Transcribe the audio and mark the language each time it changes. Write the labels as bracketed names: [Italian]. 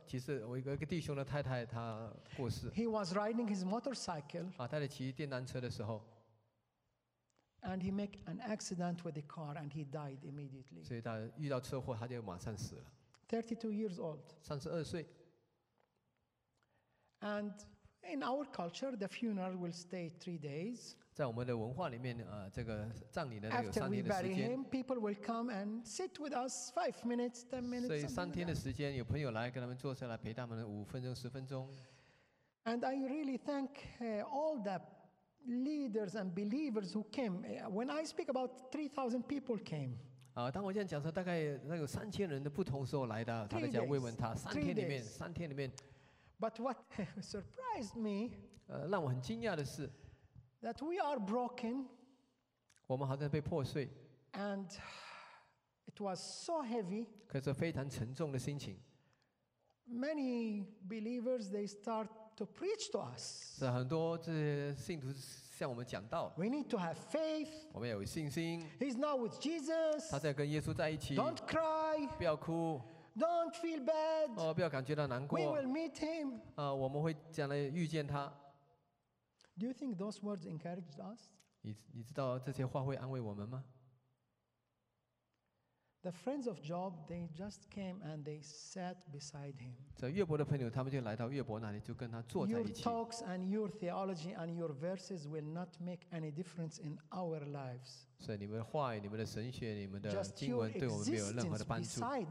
[Chinese] 其实我一个弟兄的太太她过世。 [English] He was riding his motorcycle. [Chinese] 他在骑电单车的时候。 [English] And he made an accident with the car and he died immediately. [Chinese] 所以他遇到车祸，他就马上死了。 [English] 32 years old. [Chinese] 32岁。 [English] And in our culture, the funeral will stay 3 days. [Chinese] 在我们的文化里面，这个葬礼呢有3天的时间。 [English] After we bury him, people will come and sit with us 5 minutes, 10 minutes. [Chinese] 所以三天的时间，有朋友来跟他们坐下来陪他们5分钟、10分钟。 [English] And I really thank all the leaders and believers who came. When I speak about 3,000 people came. [Chinese] 当我现在讲说大概那有3000人的不同时候来的，他在家慰问他，三天里面。 [English] But what surprised me? [Chinese] 让我很惊讶的是 [English] ，that we are broken. [Chinese] 我们好像被破碎。 [English] And it was so heavy. [Chinese] 可是非常沉重的心情。 [English] Many believers they start to preach to us. [Chinese] 是很多这些信徒向我们讲道。 [English] We need to have faith. [Chinese] 我们要有信心。 [English] He's now with Jesus. [Chinese] 他在跟耶稣在一起。 [English] Don't cry. [Chinese] 不要哭。 [English] Don't feel bad. [Chinese] 不要感觉到难过。 [English] We will meet him. [Chinese] 我们会将来遇见他。 [English] Do you think those words encouraged us? [Chinese] 你知道这些话会安慰我们吗？ [English] The friends of Job, they just came and they sat beside him. [Chinese] 这约伯的朋友，他们就来到约伯那里，就跟他坐在一起。 [English] Your talks and your theology and your verses will not make any difference in our lives. [Chinese] 所以你们的话语、你们的神学、你们的经文对我们没有任何的帮助。